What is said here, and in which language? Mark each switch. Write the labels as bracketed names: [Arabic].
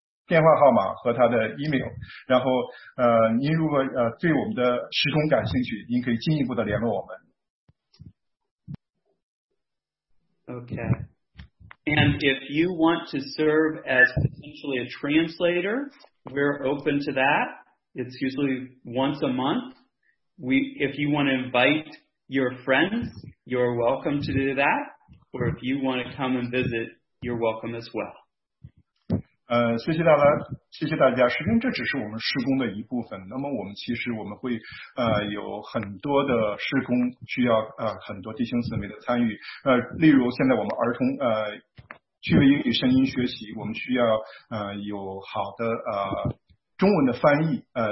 [Chinese] 我们会进一步会请上留下他的电话号码和他的 email。然后您如果对我们的时空感兴趣，您可以进一步的联络我们。 [English] Okay. And if you want to serve as potentially a translator, we're open to that. It's usually once a month. If you want to invite your friends, you're welcome to do that. Or if you want to come and visit, you're welcome as well. [Chinese] 谢谢大家。时间这只是我们施工的一部分。那么我们其实我们会有很多的施工需要很多弟兄姊妹的参与。例如现在我们儿童具有英语声音学习，我们需要有好的中文的翻译。